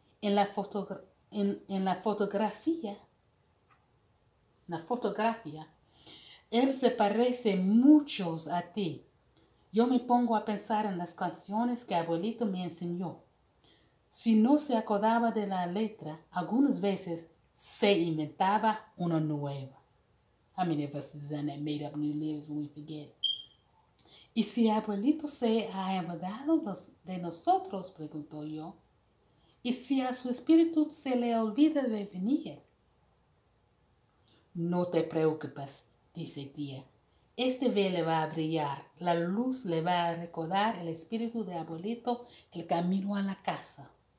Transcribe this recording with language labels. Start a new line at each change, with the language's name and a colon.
Spanish: En la fotografía, él se parece mucho a ti. Yo me pongo a pensar en las canciones que Abuelito me enseñó. Si no se acordaba de la letra, algunas veces se inventaba una nueva.
English: How many of us have done that made up new lyrics when we forget?
Spanish: ¿Y si abuelito se ha olvidado de nosotros? Preguntó yo. ¿Y si a su espíritu se le olvida de venir? No te preocupes, dice tía. Este velo va a brillar. La luz le va a recordar el espíritu de abuelito el camino a la casa.